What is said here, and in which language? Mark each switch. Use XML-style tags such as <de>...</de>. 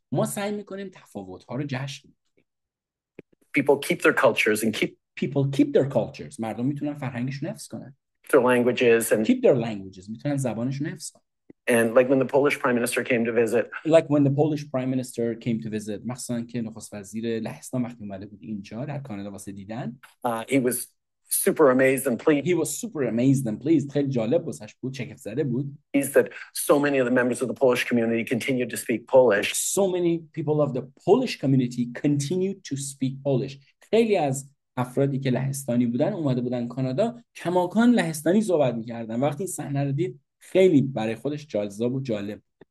<fa>ما سعی می‌کنیم تفاوت‌ها رو جشن بگیریم.</fa> <en>People keep their cultures.</en> <fa>مردم میتونن فرهنگشون حفظ کنن.</fa> <en>Keep their languages.</en> <fa>میتونن زبانشون حفظ کنن.</fa> <en>And like when the Polish Prime Minister came to visit.</en> <fa>مخصوصا که نخست وزیر لهستان وقتی اومده بود اینجا در کانادا واسه دیدن.</fa> <en>He was super amazed and pleased.</en> <fa>خیلی جالب بودش بود. شگفت زده بود.</fa> <en>He said so many of the members of the Polish community continued to speak Polish. So many people of the Polish community continued to speak Polish.</en> <fa>خیلی از افرادی که لهستانی بودن اومده بودن کانادا کماکان لهستانی صحبت می‌کردن. وقتی صحنه رو دید خیلی برای خودش جذاب و جالب.</fa>